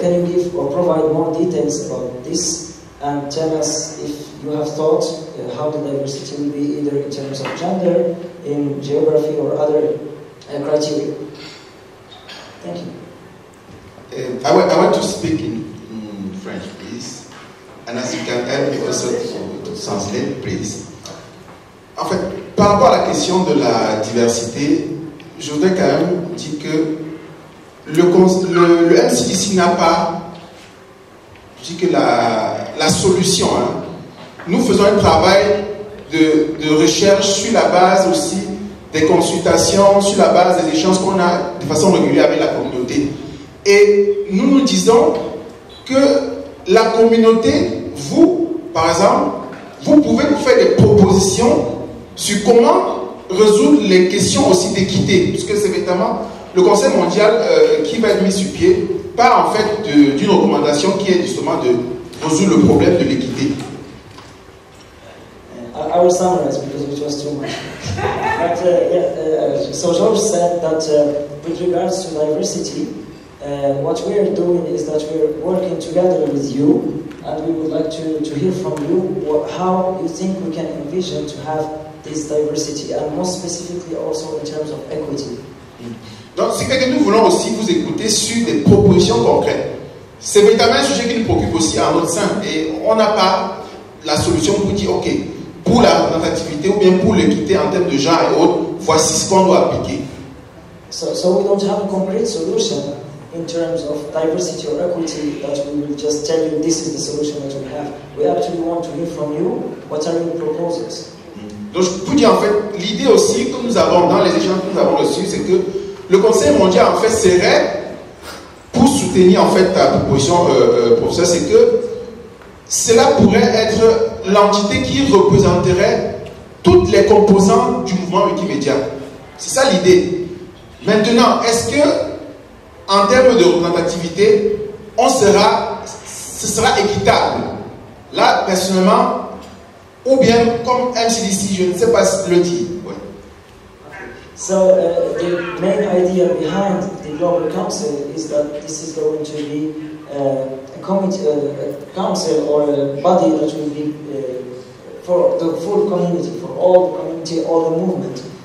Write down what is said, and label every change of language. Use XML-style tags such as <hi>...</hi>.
<en>Can you give or provide more details about this and tell us if you have thought how the diversity will be either in terms of gender, in geography or other criteria? Thank you. I want to speak in French, please. And as you can help me also to translate, please.</en> <fr>En fait, par rapport à la question de la diversité, je voudrais quand même dire que le MCDC n'a pas, je dis que la solution. Hein. Nous faisons un travail de recherche sur la base aussi des consultations, sur la base des échanges qu'on a de façon régulière avec la communauté. Et nous nous disons que la communauté, vous, par exemple, vous pouvez nous faire des propositions sur comment résoudre les questions aussi d'équité, puisque c'est notamment le Conseil mondial qui va être mis sur pied par en fait d'une recommandation qui est justement de résoudre le problème de l'équité.</fr> <en>I will summarize because it was too much. But so George said that with regards to diversity, what we are doing is that we are working together with you, and we would like to hear from you how you think we can envision to have this diversity, and more specifically also in terms of equity.</en> <fr>Donc, c'est que nous voulons aussi vous écouter sur des propositions concrètes. C'est véritablement un sujet qui nous préoccupe aussi à notre sein, et on n'a pas la solution pour dire ok. Pour la représentativité ou bien pour l'équité en termes de genre et autres, voici ce qu'on doit appliquer.</fr> <en>So we don't have a concrete solution in terms of diversity or equity that we will just tell you this is the solution that we have. We actually want to hear from you what are your proposals.</en> <fr>Donc je peux dire en fait l'idée aussi que nous avons dans les échanges que nous avons reçus, c'est que le Conseil mondial en fait serait pour soutenir en fait ta proposition, professeur, c'est que cela pourrait être l'entité qui représenterait toutes les composantes du mouvement Wikimedia. C'est ça l'idée. Maintenant, est-ce que, en termes de représentativité, ce sera équitable? Là, personnellement, ou bien comme MCDC, je ne sais pas si le dit. Ouais.</fr> <en>So the main idea behind the Global Council is that this is going to be a council or a body that will be for the full community, for all the community, all the movement.</en>